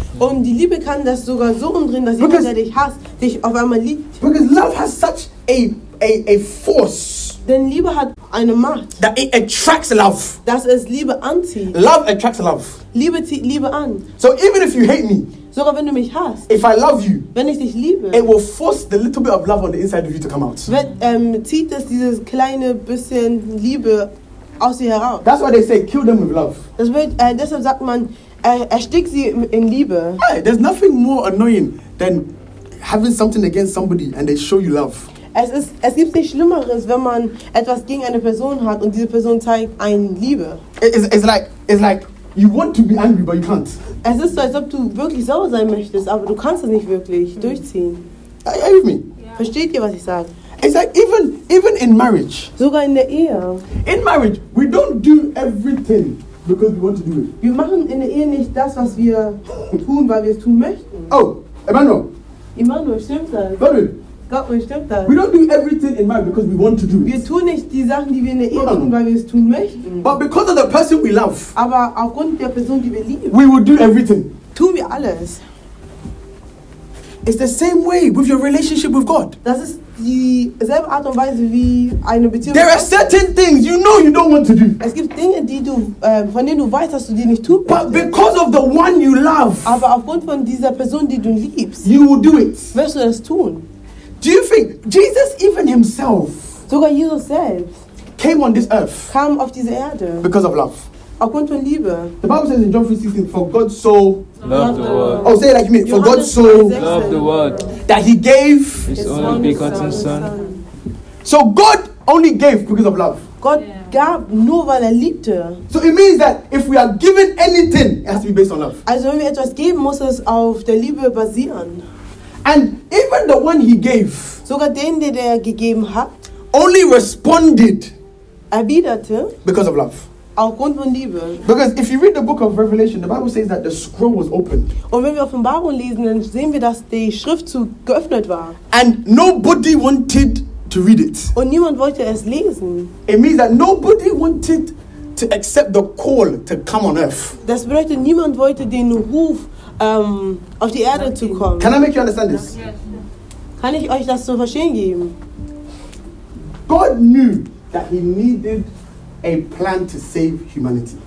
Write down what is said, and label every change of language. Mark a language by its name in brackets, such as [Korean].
[German] Und die Liebe kann das sogar so umdrehen, dass jemand, der dich hasst, dich auf einmal liebt. [English] Because love has such a force. [German] Denn Liebe hat eine Macht. [English] That it attracts love. [German] Dass es Liebe anzieht. [English] Love attracts love. [German] Liebe zieht Liebe an. [English] So even if you hate me. [German] Sogar wenn du mich hast. [English] If I love you. [German] Wenn ich dich liebe. [English] It will force the little bit of love on the inside of you to come out. [German] Wird, zieht es dieses kleine bisschen Liebe aus dir heraus. [English] That's why they say kill them with love. [German] Das wird, deshalb sagt man, erstick sie in Liebe. [English] Hey, there's nothing more annoying than having something against somebody and they show you love. [German] Es gibt nichts Schlimmeres, wenn man etwas gegen eine Person hat und diese Person zeigt einen Liebe. [English] It's like you want to be angry, but you can't. [German] Es ist so, als ob du wirklich sauer sein möchtest, aber du kannst es nicht wirklich durchziehen. [English] Are you with me? [German] Versteht ihr, was ich sage? [English] It's like even in marriage. [German] Sogar in der Ehe. [English] In marriage, we don't do everything because we want to do it. [German] Wir machen in der Ehe nicht das, was wir tun, weil wir es tun möchten. [English] Oh, Emmanuel, [German] stimmt das? [English] Godwin. [German] Gottwin, stimmt das? [English] We don't do everything in marriage because we want to do it. [German] Wir tun nicht die Sachen, die wir in der Ehe tun, weil wir es tun möchten. [English] But because of the person we love. [German] Aber aufgrund der Person, die wir lieben. [English] We will do everything. [German] Tun wir alles. [English] It's the same way with your relationship with God. [German] Das ist dieselbe Art und Weise wie eine Beziehung. [English] There are certain things you know you don't want to do. [German] Es gibt Dinge, die du von denen du weißt, dass du die nicht tun willst. [English] But because of the one you love. [German] Aber aufgrund von dieser Person, die du liebst. [English] You will do it. [German] Wirst du das tun? [English] Do you think Jesus even himself? [German] Sogar Jesus selbst [English] came on this earth. [German] Kam auf diese Erde. [English] Because of love. [German] Aufgrund von Liebe. [English] The Bible says in John 3:16, for God so loved the world. Oh, say it like me. For God so loved the world that he gave his only begotten son. So God only gave because of love. [German] God gab nur weil er liebte. [English] So it means that if we are given anything, it has to be based on love. [German] Also wenn wir etwas geben, muss es auf der Liebe basieren. [English] And even the one he gave, [German] sogar den, den er gegeben hat, [English] only responded, [German] erwiderte, [English] because of love. [German] Aufgrund von Liebe. [English] Because if you read the book of Revelation, the Bible says that the scroll was opened. [German] Und wenn wir Offenbarung lesen, dann sehen wir, dass die Schriftzug geöffnet war. [English] And nobody wanted to read it. [German] Und niemand wollte es lesen. [English] It means that nobody wanted to accept the call to come on earth. [German] Das bedeutet, niemand wollte den Ruf auf die Erde zu kommen. [English] Can I make you understand this? [German] Kann ich euch das so verstehen geben? [English] God knew that he needed a plan to save humanity.